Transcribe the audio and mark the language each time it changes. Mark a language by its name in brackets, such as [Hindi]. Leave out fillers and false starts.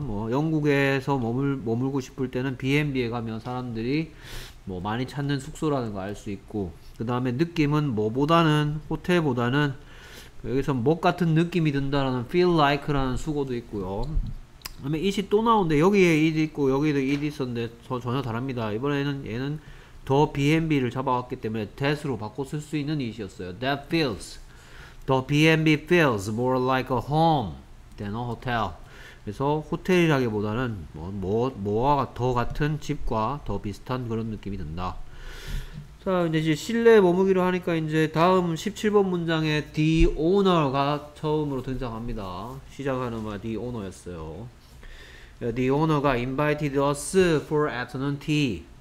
[Korean] 뭐 영국에서 머물고 싶을 때는 B&B에 가면 사람들이 뭐 많이 찾는 숙소라는 거알수 있고, 그 다음에 느낌은 뭐보다는, 호텔보다는 여기서 뭐 같은 느낌이 든다라는 feel like라는 수거도 있고요. 그다음에 it이 또 나오는데 여기에 it 있고 여기도 it 있었는데 전혀 다릅니다. 이번에는 얘는 더 B&B를 잡아왔기 때문에 that으로 바꿔 쓸수 있는 it이었어요. [English] That feels, the B&B feels more like a home than a hotel. [Korean] 그래서 호텔이라기보다는 뭐와 더 같은 집과 더 비슷한 그런 느낌이 든다. 자, 근데 이제 실내에 머무기로 하니까 이제 다음 17번 문장에 the owner가 처음으로 등장합니다. 시작하는 말 [English] the owner였어요. The owner가 invited us for afternoon tea.